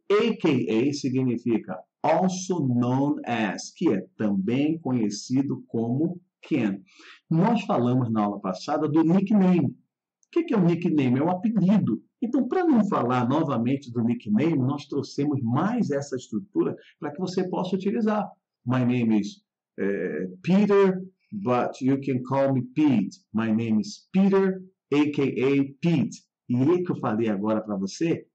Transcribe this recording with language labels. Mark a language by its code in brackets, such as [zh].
[pt] AKA significa [en] also known as, [pt] que é também conhecido como Ken. Nós falamos na aula passada do nickname. O que é um nickname? É um apelido. Então, para não falar novamente do nickname, nós trouxemos mais essa estrutura para que você possa utilizar. [en] My name is Peter, but you can call me Pete. My name is Peter, a.k.a. Pete. [pt] E o que eu falei agora para você?